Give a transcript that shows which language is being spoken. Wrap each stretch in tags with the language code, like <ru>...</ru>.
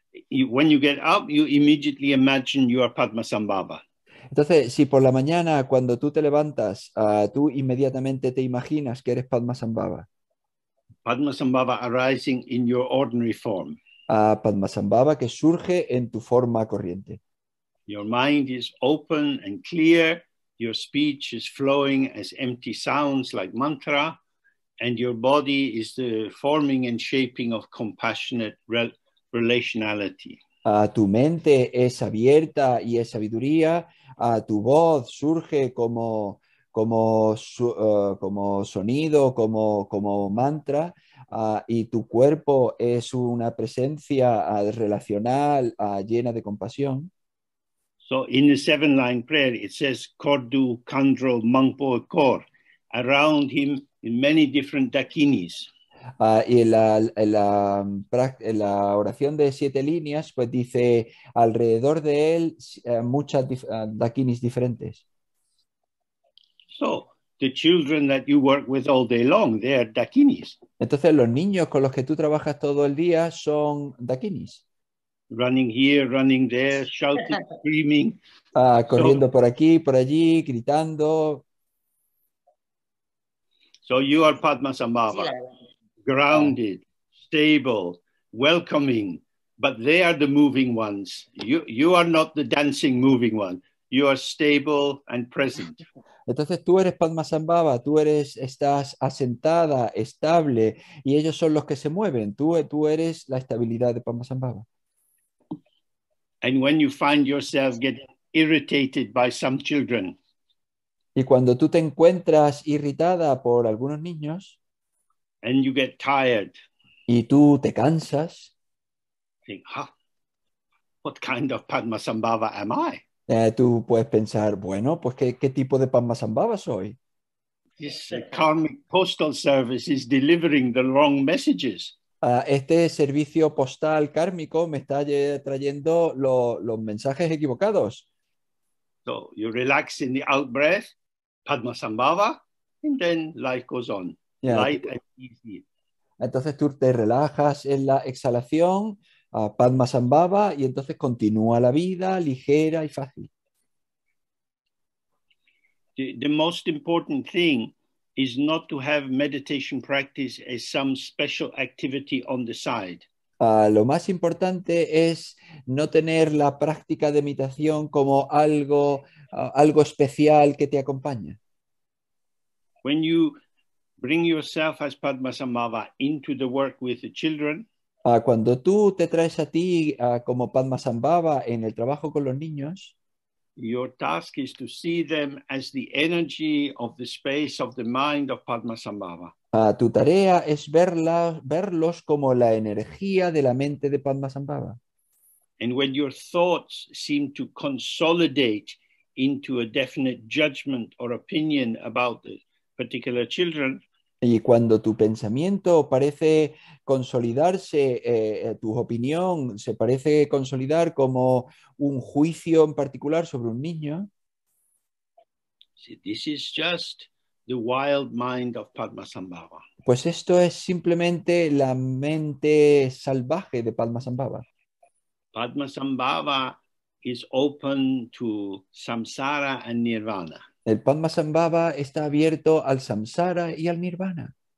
<en>When you get up, you immediately imagine you are Padmasambhava.</en> <es>Entonces, si por la mañana cuando tú te levantas, tú inmediatamente te imaginas que eres Padmasambhava.</es> <en>Padmasambhava arising in your ordinary form.</en> <es>Padmasambhava que surge en tu forma corriente.</es> <en>Your mind is open and clear. Your speech is flowing as empty sounds like mantra, and your body is the forming and shaping of compassionate relationality.</en> <es>Tu mente es abierta y es sabiduría. Tu voz surge como sonido, como mantra, y tu cuerpo es una presencia relacional llena de compasión.</es> <en>So in the seven line prayer it says</en> <bo>Kordu Kandro Mangpo Kor</bo> <en>around him in many different dakinis.</en> <es>Y en la oración de siete líneas, pues dice alrededor de él muchas dakinis diferentes.</es> <en>So, the children that you work with all day long, they are dakinis.</en> <es>Entonces, los niños con los que tú trabajas todo el día son dakinis.</es> <en>Running here, running there, shouting, screaming.</en> <es>Corriendo por aquí, por allí, gritando.</es> <en>So you are Padmasambhava, grounded, stable, welcoming, but they are the moving ones. You are not the dancing moving one. You are stable and present.</en> <es>Entonces tú eres Padmasambhava, estás asentada, estable, y ellos son los que se mueven. Tú eres la estabilidad de Padmasambhava.</es> <en>And when you find yourself getting irritated by some children,</en> <es>Y cuando tú te encuentras irritada por algunos niños</es> <en>and you get tired,</en> <es>y tú te cansas,</es> <en>think, huh, what kind of Padmasambhava am I?</en> <es>Tú puedes pensar, bueno, pues ¿qué tipo de Padmasambhava soy?</es> <en>This karmic postal service is delivering the wrong messages.</en> <es>Este servicio postal kármico me está trayendo los mensajes equivocados.</es> <en>So you relax in the out-breath, Padmasambhava, and then life goes on, light and easy.</en> <es>Entonces tú te relajas en la exhalación, Padmasambhava, y entonces continúa la vida ligera y fácil.</es> <en>The most important thing is not to have meditation practice as some special activity on the side.</en> <es>Lo más importante es no tener la práctica de meditación como algo especial que te acompaña.</es> <en>When you bring yourself as Padmasambhava into the work with the children,</en> <es>Cuando tú te traes a ti como Padmasambhava en el trabajo con los niños,</es> <en>your task is to see them as the energy of the space of the mind of Padmasambhava.</en> <es>Tu tarea es verlos como la energía de la mente de Padmasambhava.</es> <en>And when your thoughts seem to consolidate into a definite judgment or opinion about the particular children,</en> <es>Y cuando tu pensamiento parece consolidarse, tu opinión se parece consolidar como un juicio en particular sobre un niño,</es> <en>see, this is just the wild mind of Padmasambhava.</en> <es>pues esto es simplemente la mente salvaje de Padmasambhava.</es> <en>Padmasambhava is open to samsara and nirvana.</en> <es>El Padmasambhava está abierto al samsara y al nirvana.</es>